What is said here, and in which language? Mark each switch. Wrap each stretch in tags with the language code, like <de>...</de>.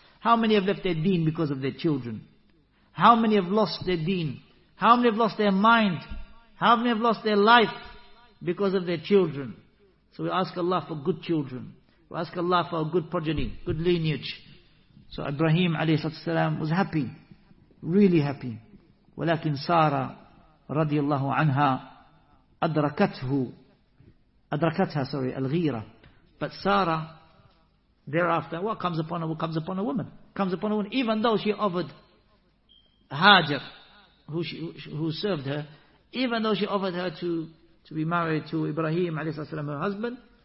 <en>How many have left their deen because of their children? How many have lost their deen? How many have lost their mind? How many have lost their life because of their children? So we ask Allah for good children. We ask Allah for a good progeny, good lineage. So Ibrahim alayhi salatu salam was happy, really happy.</en> <ar>ولكن سارة رضي الله عنها أدركتها الغيرة.</ar> <en>But Sarah, thereafter, what comes upon her? What comes upon a woman? Comes upon a woman, even though she offered Hajar, who served her, even though she offered her to be married to Ibrahim alayhi salatu salam, her husband.</en>